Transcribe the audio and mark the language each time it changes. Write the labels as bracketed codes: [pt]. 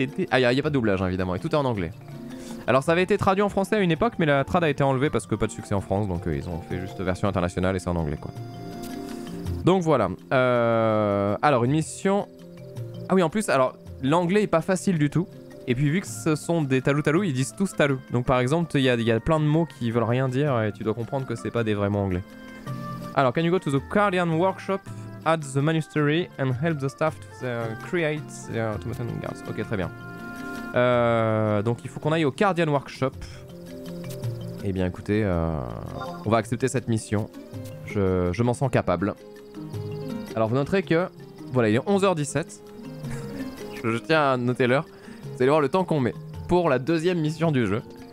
[fr] Ah, y a pas de doublage hein, évidemment, et tout est en anglais. Alors ça avait été traduit en français à une époque, mais la trad a été enlevée parce que pas de succès en France, donc ils ont fait juste version internationale et c'est en anglais quoi. Donc voilà. Alors une mission. Ah oui, en plus, alors l'anglais est pas facile du tout. Et puis vu que ce sont des talou-talou, ils disent tous talou. Donc par exemple, il y a plein de mots qui veulent rien dire et tu dois comprendre que c'est pas des vrais mots anglais. Alors, [en] can you go to the Guardian Workshop at the monastery and help the staff to create the automaton guards. [fr] Ok, très bien. Donc il faut qu'on aille au Guardian Workshop. Eh bien écoutez, on va accepter cette mission. Je m'en sens capable. Alors vous noterez que, voilà, il est 11h17. je tiens à noter l'heure. Vous allez voir le temps qu'on met pour la deuxième mission du jeu.